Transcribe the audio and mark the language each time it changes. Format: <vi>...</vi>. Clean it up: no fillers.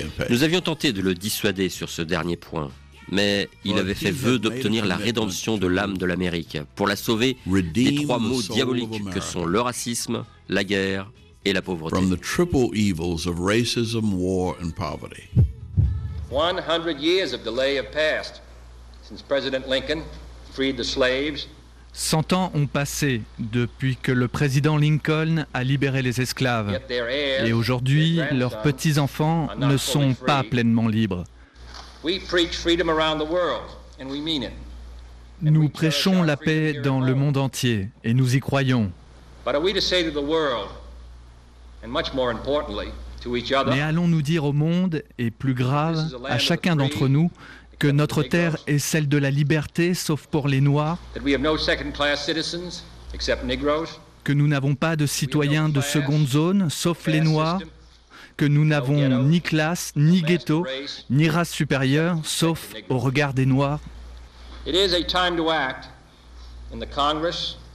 <fr>Nous avions tenté de le dissuader sur ce dernier point, mais il avait fait vœu d'obtenir la rédemption de l'âme de l'Amérique pour la sauver des trois maux diaboliques que sont le racisme, la guerre et la pauvreté.</fr> <en>From the triple evils of racism, war and poverty. 100 years of delay have passed since President Lincoln freed the slaves.</en> <fr>100 ans ont passé depuis que le président Lincoln a libéré les esclaves. Et aujourd'hui, leurs petits-enfants ne sont pas pleinement libres.</fr> <en>We preach freedom around the world and we mean it.</en> <fr>Nous prêchons la paix dans le monde entier et nous y croyons.</fr> <en>But are we to say to the world, and much more importantly, to each other?</en> <fr>Mais allons-nous dire au monde, et plus grave, à chacun d'entre nous, que notre terre est celle de la liberté, sauf pour les Noirs?</fr> <en>That we have no second-class citizens, except Negroes?</en> <fr>Que nous n'avons pas de citoyens de seconde zone, sauf les Noirs? Que nous n'avons ni classe, ni ghetto, ni race supérieure, sauf au regard des Noirs?</fr> <en>It is a time to act in the Congress.</en>